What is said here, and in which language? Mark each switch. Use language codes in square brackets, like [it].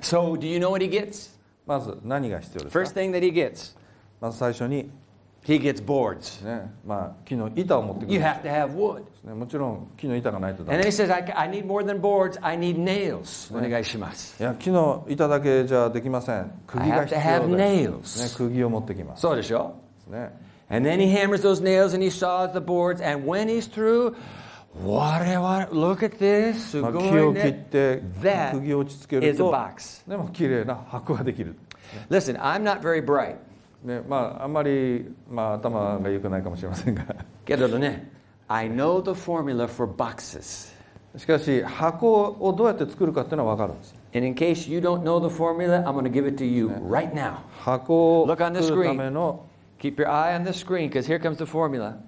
[en] So, do you know what he gets? [ja] まず何が必要ですか [en] ?First thing that he gets. [ja] まず最初に。 [en] He gets boards.、 [ja] ねまあ、木の板を持ってくる。 [en] You have to have wood.、 [ja] ね、もちろん木の板がないとダメ。 [en] And then he says, I need more than boards, I need nails.、 [ja] ね、お願いします。いや、木の板だけじゃできません。釘が必要です。 [en] I have to have nails.、 [ja] ね、釘を持ってきます。そうでしょね、 [en] and then he hammers those nails and he saws the boards and when he's through look at this [ja] すごい、ね、木を切って釘を打ち付けると [en] that is a box. [ja] でも綺麗な箱ができる、ね、 [en] Listen, I'm not very bright、 [ja] ねまあ、あんまり、まあ、頭が良くないかもしれませんがけどね [en] I know the formula for boxes [ja] しかし箱をどうやって作るかっていうのは分かるんです [en] and in case you don't know the formula I'm going to give it to you、ね、right now [ja] 箱を [en] look on the screen [ja] ための [en] Keep your eye on the screen, because here comes the formula.